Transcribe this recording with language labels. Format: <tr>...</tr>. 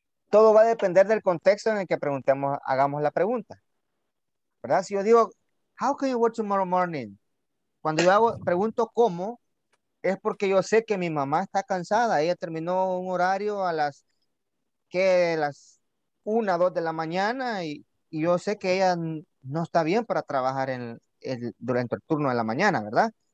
<es>Todo va a depender del contexto en el que preguntemos, hagamos la pregunta. ¿Verdad? Si yo digo,</es> <en>how can you work tomorrow morning?</en> <es>Cuando yo hago, pregunto cómo, es porque yo sé que mi mamá está cansada. Ella terminó un horario a las, ¿qué? Las 1 o 2 de la mañana y yo sé que ella no está bien para trabajar en el, durante el turno de la mañana, ¿verdad?</es>